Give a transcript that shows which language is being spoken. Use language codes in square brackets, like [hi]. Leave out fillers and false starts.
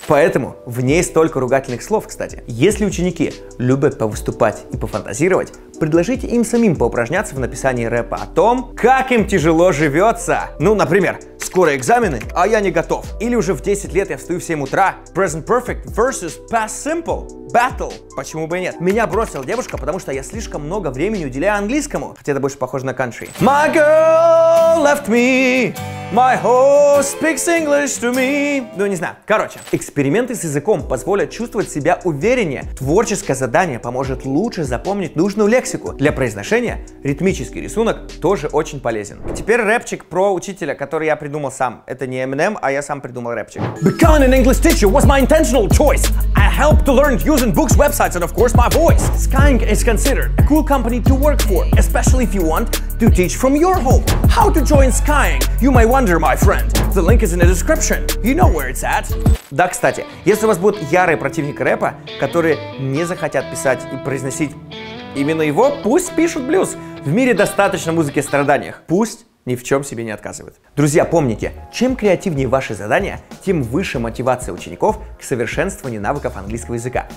[ru] Поэтому в ней столько ругательных слов, кстати. Если ученики любят повыступать и пофантазировать, предложите им самим поупражняться в написании рэпа о том, как им тяжело живется. Ну, например, скоро экзамены, а я не готов. Или уже в 10 лет я встаю в 7 утра. [en] Present perfect versus past simple. Battle. [ru] Почему бы и нет? Меня бросила девушка, потому что я слишком много времени уделяю английскому. Хотя это больше похоже на country. [en] My girl left me. My host speaks English to me. [ru] Ну, не знаю. Короче, эксперименты с языком позволят чувствовать себя увереннее. Творческое задание поможет лучше запомнить нужную лексику. Для произношения ритмический рисунок тоже очень полезен. Теперь рэпчик про учителя, который я придумал сам. Это не Eminem, а я сам придумал рэпчик. [en] Becoming an English teacher was my intentional choice. I helped to learn using books, websites and of course my voice. Skying is considered a cool company to work for, especially if you want to teach from your home. How to join Skying? You might wonder, my friend. The link is in the description. You know where it's at. [ru] Да, кстати, если у вас будут ярые противники рэпа, которые не захотят писать и произносить именно его, пусть пишут блюз. В мире достаточно музыки о страданиях. Пусть ни в чем себе не отказывает. Друзья, помните, чем креативнее ваши задания, тем выше мотивация учеников к совершенствованию навыков английского языка.